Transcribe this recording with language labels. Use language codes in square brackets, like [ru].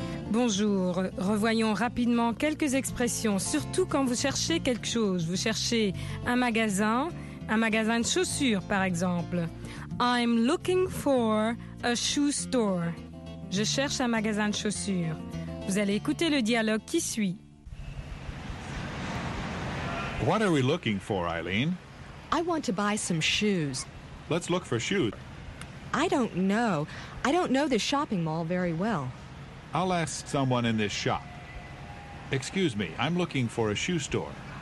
[fr] Bonjour. Revoyons rapidement quelques expressions, surtout quand vous cherchez quelque chose. Vous cherchez un magasin de chaussures, par exemple. [en] I'm looking for a shoe store. [fr] Je cherche un magasin de chaussures. Vous allez écouter le dialogue qui suit. [en] What are we looking for, Eileen? I want to buy some shoes. Let's look for shoes. I don't know. I don't know this shopping mall very well. I'll ask someone in this shop. Excuse me, I'm looking for a shoe store.